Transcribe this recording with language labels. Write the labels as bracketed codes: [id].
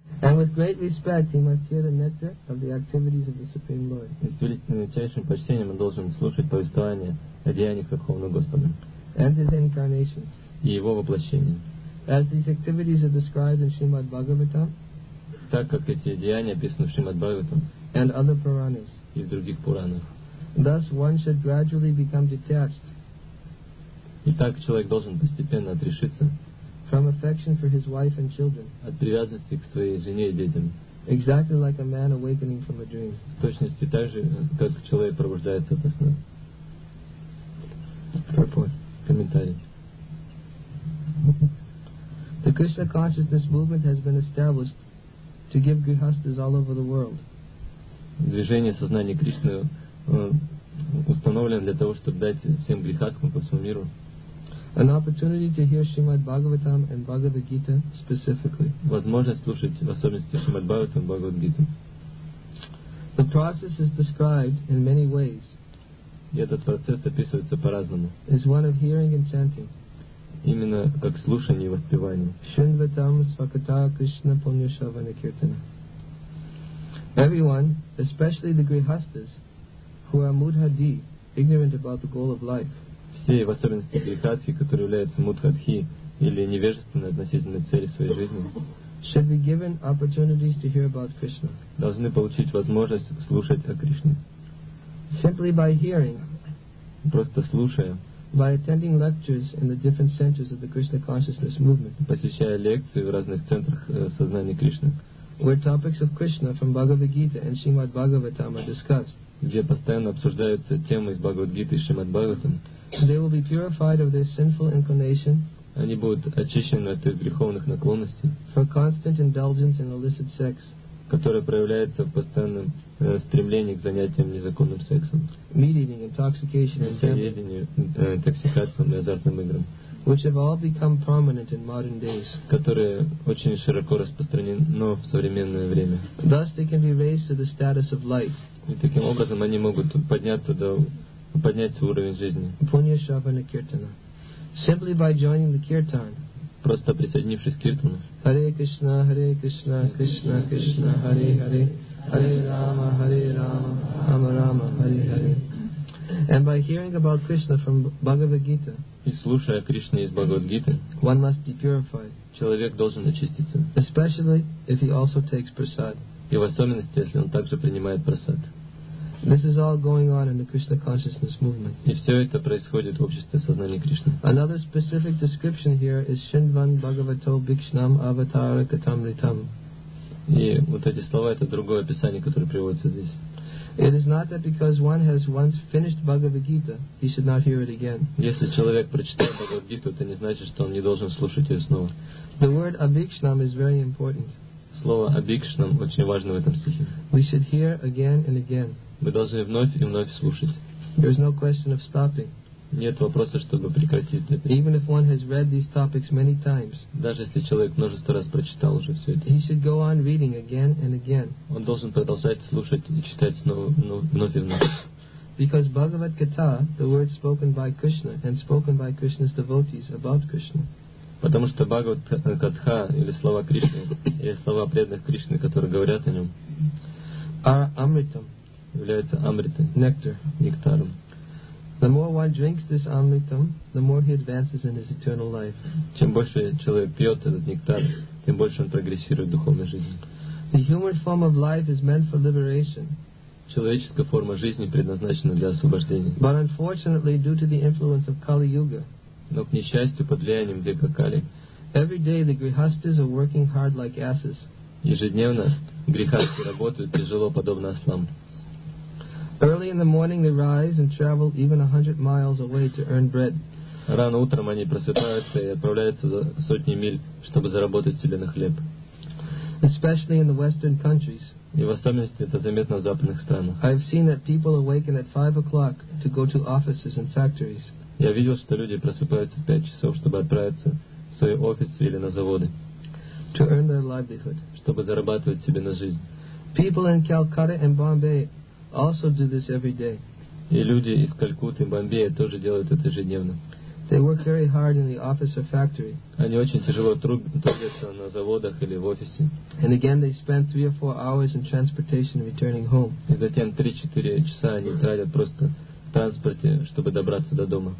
[en] And with great respect, he must hear the netta of the activities of the Supreme Lord. [ru] И с величайшим почтением он должен слушать повествование о деяниях Верховного Господа. [en] And his incarnations. [ru] И его воплощение. [en] As these activities are described in Srimad Bhagavatam. [ru] Так как эти деяния описаны в Шримад Бхагаватам. [en] And other Puranas. [ru] И в других Пуранах. [en] Thus one should gradually become detached. [ru] И так человек должен постепенно отрешиться. [en] From affection for his wife and children. [ru] От привязанности к своей жене и детям. [en] Exactly like a man awakening from a dream. [ru] В точности так же, как человек пробуждается ото сна. Комментарий. [en] The Krishna consciousness movement has been established to give grihasthas all over the world. [ru] Движение сознания Кришны установлено для того, чтобы дать всем грихастхам по всему миру. [en] An opportunity to hear Srimad Bhagavatam and Bhagavad Gita specifically. [ru] Возможность слушать в особенности Srimad Bhagavatam и Bhagavad Gita. [en] The process is described in many ways. [ru] И этот процесс описывается по-разному. [en] Is one of hearing and chanting. [ru] Именно как слушание и воспевание. [sa] Шинватам свакта Кришна пунишавана киртана. [en] Everyone, especially the grihasthas, who are mudhadi, ignorant about the goal of life. [ru] Все, в особенности грихасхи, которые являются мудхадхи или невежественны относительно цели своей жизни, [en] should be given opportunities to hear about Krishna. [ru] Должны получить возможность слушать о Кришне. [en] Simply by hearing. [ru] Просто слушая. [en] By attending lectures in the different centers of the Krishna consciousness movement. [ru] Посещая лекции в разных центрах сознания Кришны. [en] Where topics of Krishna from Bhagavad Gita and Srimad Bhagavatam are discussed. [ru] Где постоянно обсуждаются темы из Бхагавад Гиты и Шримад Бхагаватам. [en] They will be purified of their sinful inclination. [ru] Они будут очищены от их греховных наклонностей. [en] For constant indulgence in illicit sex. [ru] Которая проявляется в постоянном стремлении к занятиям незаконным сексом. [en] Meat eating, intoxication, [ru] интоксикациям и азартным играм. [en] Which have all become prominent in modern days. [ru] Которые очень широко распространены в современное время. [en] Thus they can be raised to the status of life. [ru] И таким образом они могут подняться до поднять уровень жизни. [sa] Punya Shravana Kirtana. [en] Simply by joining the kirtan. [ru] Просто присоединившись к киртану. [sa] Hare Krishna, Hare Krishna, Krishna Krishna, Hare Hare, Hare Rama, Hare Rama, Rama Rama, Hare Hare. [en] And by hearing about Krishna from Bhagavad Gita. [ru] И слушая Кришну из Бхагавад Гиты. [en] One must be purified. [ru] Человек должен очиститься. [en] Especially if he also takes prasad. [ru] И в особенности, если он также принимает прасад. [en] This is all going on in the Krishna consciousness movement. [ru] И все это происходит в обществе сознания Кришны. [en] Another specific description here is [sa] Shinvan Bhagavato Bhikshnam Avatara Katamritam. [ru] И вот эти слова, это другое описание, которое приводится здесь. [en] It is not that because one has once finished Bhagavad Gita, he should not hear it again. [ru] Если человек прочитал Бхагавад Гиту, это не значит, что он не должен слушать ее снова. [en] The word Abhikshnam is very important. [ru] Слово Абикшнам очень важно в этом стихе. [en] We should hear again and again. [ru] Мы должны вновь и вновь слушать. [en] There is no question of stopping. [ru] Нет вопроса, чтобы прекратить это. [en] Even if one has read these topics many times. [ru] Даже если человек множество раз прочитал уже все это. [en] He should go on reading again and again. [ru] Он должен продолжать слушать и читать снова, вновь и вновь. [en] Because Bhagavad Gita, the word spoken by Krishna and spoken by Krishna's devotees about Krishna. [ru] Потому что Бхагавад Катха, или слова Кришны, или слова преданных Кришны, которые говорят о нем, [sa] амритам, [ru] являются амритом, нектар, нектаром. [en] The more one drinks this амритам, the more he advances in his eternal life. [ru] Чем больше человек пьет этот нектар, тем больше он прогрессирует в духовной жизни. [en] The human form of life is meant for liberation. [ru] Человеческая форма жизни предназначена для освобождения. [en] But unfortunately, due to the influence of Kali-Yuga, [ru] но, к несчастью, под влиянием века Кали. [en] Every day the grihasthas are working hard like asses. [ru] Ежедневно грихасты работают тяжело, подобно ослам. [en] Early in the morning they rise and travel even 100 miles away to earn bread. [ru] Рано утром они просыпаются и отправляются за сотни миль, чтобы заработать себе на хлеб. [en] Especially in the western countries. [ru] И в особенности это заметно в западных странах. [en] I've seen that people awaken at 5 o'clock to go to offices and factories. [ru] Я видел, что люди просыпаются в 5 часов, чтобы отправиться в свои офисы или на заводы, [en] to earn their livelihood. [ru] Чтобы зарабатывать себе на жизнь. [en] People in Calcutta and Bombay also do this every day. [ru] И люди из Калькутты и Бомбея тоже делают это ежедневно. [en] They work very hard in the office or factory. [ru] Они очень тяжело трудятся на заводах или в офисе. [en] And again, they spend 3 or 4 hours in transportation returning home. [ru] И затем 3-4 часа они тратят просто в транспорте, чтобы добраться до дома.